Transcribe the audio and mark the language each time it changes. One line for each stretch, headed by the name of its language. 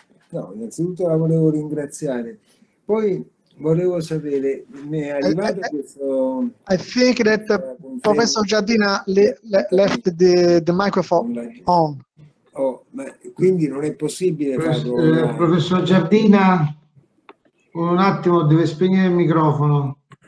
Italian: No, innanzitutto la volevo ringraziare. Poi volevo sapere, mi è arrivato questo...
English: I think that Professor Giardina left the microphone on.
Italian: Oh, ma quindi non è possibile farlo... Professor Giardina, un attimo, deve spegnere il microfono.